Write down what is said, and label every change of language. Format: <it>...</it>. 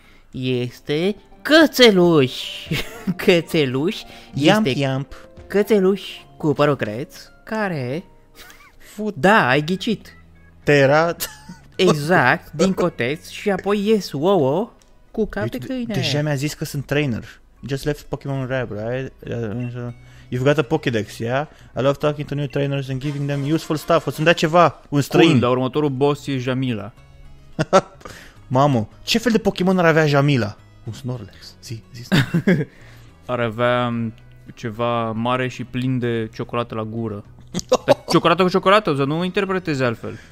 <ro>Este Cățeluș. Cățeluș. Iamp. Cățeluș cu părul creț, care... Da, ai ghicit. Terat. Exact, din coteț și apoi ies ouă cu cap de câine. Deja mi-a zis că sunt trainer.</ro> <en>Just left Pokémon Rap, right? You've got a Pokédex, yeah? I love talking to new trainers and giving them useful stuff.</en> <ro>O să-mi dea ceva, un străin. Cool, dar următorul boss e Jamila. Mamă, ce fel de Pokémon ar avea Jamila? Un Snorlax, zi. Ar avea ceva mare și plin de ciocolată la gură. Ciocolată cu ciocolată, să nu o interpretezi altfel.</ro>